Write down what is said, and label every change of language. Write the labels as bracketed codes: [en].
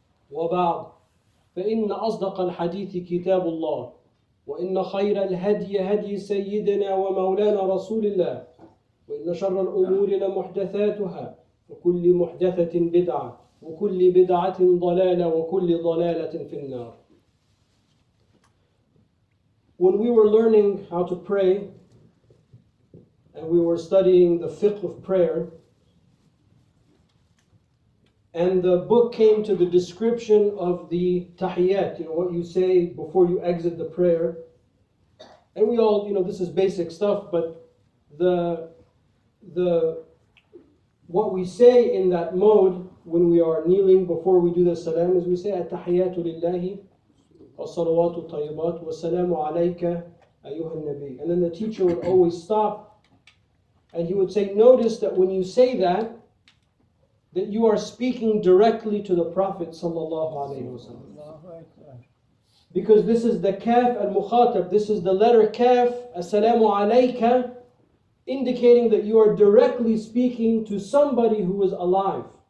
[ar] وبعد فإن أصدق الحديث كتاب الله وإن خير الهدي هدي سيدنا ومولانا رسول الله وإن شر الأمور لمحدثاتها وكل محدثة بدعة وكل بدعة ضلالة وكل ضلالة في النار. [en] When we were learning how to pray, and we were studying the fiqh of prayer, and the book came to the description of the tahiyyat, you know, what you say before you exit the prayer, and we all, you know, this is basic stuff, but the what we say in that mode when we are kneeling before we do the salam is we say [ar] at-tahiyyatu lillahi. والصلوات الطيبات والسلام عليك أيها النبي. [en] And then the teacher would always stop and he would say, notice that when you say that, that you are speaking directly to the Prophet sallallahu alayhi wa sallam. Because this is the kaf al-mukhatab, this is the letter kaf, [ar] as-salamu alayka, [en] indicating that you are directly speaking to somebody who is alive.